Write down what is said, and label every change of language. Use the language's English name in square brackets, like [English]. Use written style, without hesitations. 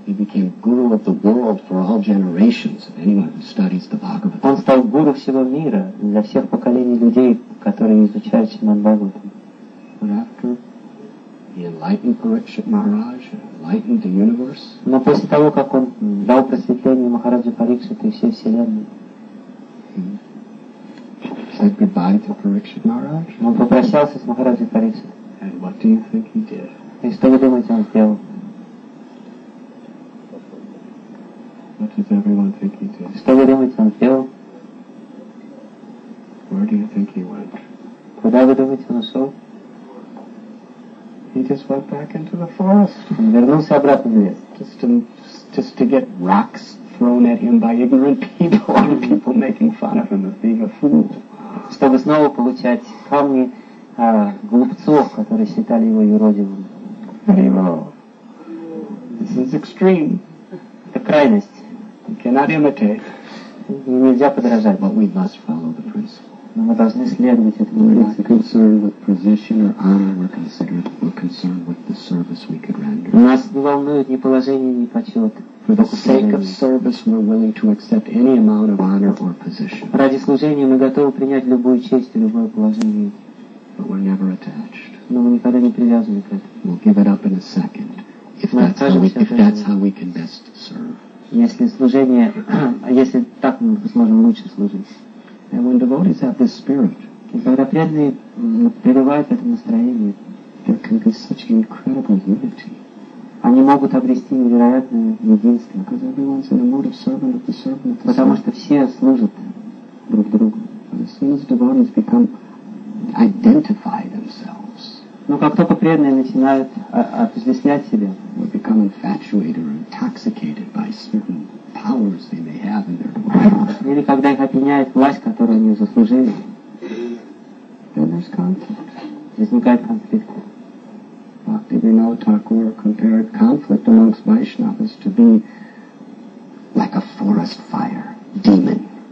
[English] He became guru of the world for all generations of anyone who studies the Bhagavad. [Russian] Он стал гуру всего мира для всех поколений людей, которые изучают Шримад-Бхагаватам. [English] But after he enlightened Parikshit Maharaj, enlightened the universe. [Russian] Но после того, как он дал просветление Махараджу Парикшиту и всей вселенной, [English] he said goodbye to Parikshit Maharaj. [Russian] Он попрощался с Махараджей Парикшитой. [English] And what do you think he did? [Russian] И что вы думаете, он сделал? [English] What does everyone think he did? [Russian] Что вы думаете, он сделал? [English] Where do you think he went? [Russian] Куда вы думаете, он ушел? [English] He just went back into the forest. [Russian] Он вернулся обратно в лес. [English] Just to get rocks thrown at him by ignorant people and people making fun of him as being a fool. [Russian] Чтобы снова получать камни глупцов, которые считали его юродивым. [English] This is extreme. [Russian] Это крайность. [English] We cannot imitate. [Russian] Нельзя подражать. [English] But we must follow the principle. [Russian] Но мы должны следовать этому принципу. [English] We're not concerned with position or honor. We're concerned with the service we could render. [Russian] Нас не волнует ни положение, ни почет. [English] For the sake of service, we're willing to accept any amount of honor or position. [Russian] Ради служения мы готовы принять любую честь и любое положение. [English] But we're never attached. [Russian] Но мы никогда не привязаны к этому. [English] We'll give it up in a second. If that's how we can best serve. [Russian] Если служение, если так мы сможем лучше служить. [English] And when devotees have this spirit, [Russian] и когда преданные пребывают в этом настроении, [English] there can be such incredible unity. [Russian] Они могут обрести невероятное единство. [English] Because everyone's in a mood of servant of the servant. [Russian] Потому что все служат друг другу. [English] As soon as devotees become identify themselves. [Russian] Но как только преданные начинают отождествлять себя, [English] they become infatuated or intoxicated by certain powers they may have in their mind. [Russian] Или когда их опьяняет власть, которую они заслужили, [English] then there's conflict. [Russian] Возникает конфликт. [English] Bhaktivinoda Thakur compared conflict amongst Vaishnavas to be like a forest fire demon.